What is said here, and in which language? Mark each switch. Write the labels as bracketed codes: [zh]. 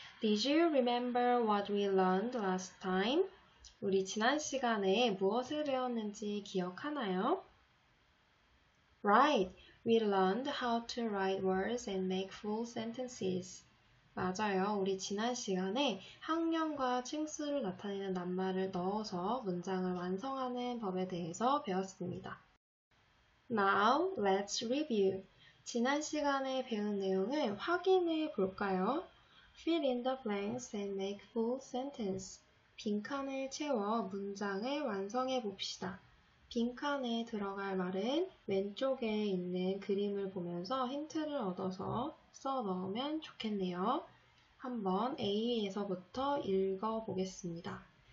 [en] Did you remember what we learned last time? [ko] 우리 지난 시간에 무엇을 배웠는지 기억하나요? [en] Right, we learned how to write words and make full sentences. [ko] 맞아요, 우리 지난 시간에 항령과 칭수를 나타내는 낱말을 넣어서 문장을 완성하는 법에 대해서 배웠습니다. [en] Now, let's review. [ko] 지난 시간에 배운 내용을 확인해 볼까요? [en] Fill in the blanks and make full sentence. [ko] 빈칸을 채워 문장을 완성해 봅시다. 빈칸에 들어갈 말은 왼쪽에 있는 그림을 보면서 힌트를 얻어서 써 넣으면 좋겠네요. 한번 A에서부터 읽어 보겠습니다.